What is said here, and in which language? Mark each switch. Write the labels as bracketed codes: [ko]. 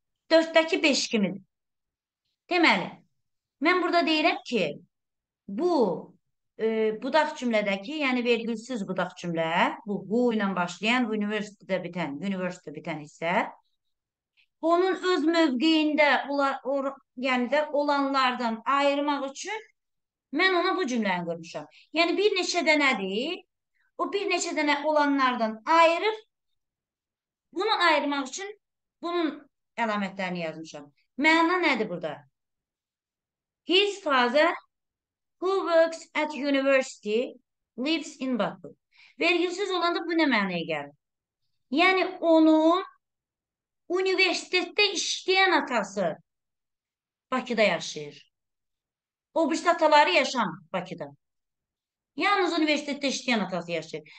[az] Dörtdəki beş kimidir. Deməli, mən burada deyirəm ki, bu budaq cümlədəki, yəni vergülsüz budaq cümlə, bu ilə başlayan, üniversitede bitən hissə, onun öz mövqeyində yəni də olanlardan ayırmaq üçün mən ona bu cümləni qurmuşam. Yəni bir neçə dənədir, o bir neçə dənə olanlardan ayırır, bunu ayırmaq üçün bunun əlamətlərini yazmışam. Məna nədir burada? [en] His father, who works at university, lives in Batu. [az] Vergisiz olan da bu ne mənaya gəlir? Yəni onun universitetdə işləyən atası Bakıda yaşayır. O bir ataları yaşamır Bakıda. Yalnız universitetdə işləyən atası yaşayır.